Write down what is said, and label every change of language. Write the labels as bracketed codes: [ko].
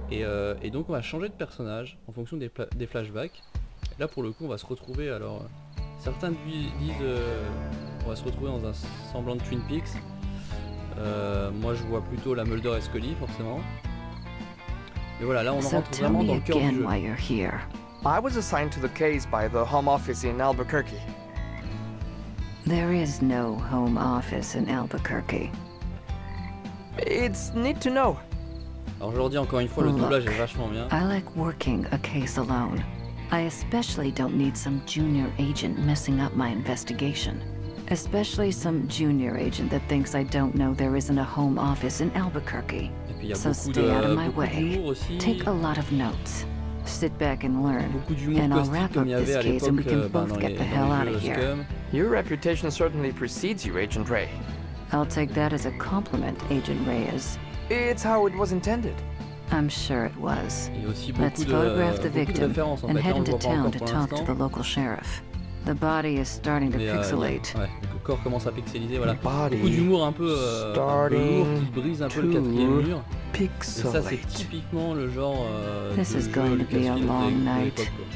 [fr] Et donc on va changer de personnage en fonction des flashbacks. Et là pour le coup on va se retrouver, alors certains disent on va se retrouver dans un semblant de Twin Peaks. Moi je vois plutôt la Mulder et Scully forcément. Mais voilà, là on rentre vraiment dans le cœur du jeu. [en] I was assigned to the case by the home office in Albuquerque. There is no home office in Albuquerque. It's neat to know. [fr] Alors je leur dis encore une fois, le doublage est vachement bien. [en] I like working a case alone. I especially don't need some junior agent messing up my investigation. Especially some junior agent that thinks I don't know there isn't a home office in Albuquerque. [fr] Et puis il y a beaucoup d'humour aussi. [en] So stay out of my way. Take a lot of notes. Sit back and learn. And I'll wrap up this case and we can both get the hell out of here. Your reputation certainly precedes you, Agent Ray. I'll take that as a compliment, Agent Reyes. It's how it was intended. I'm sure it was. Let's photograph the victim and head into town to talk to the local sheriff. The body is starting to pixelate. [fr] Ouais, donc le corps commence à pixeliser, voilà. Beaucoup d'humour un peu lourd qui brise un peu le quatrième mur. [en] Pixelate. [fr] Et ça, c'est typiquement le genre [en] This is going to be a long night.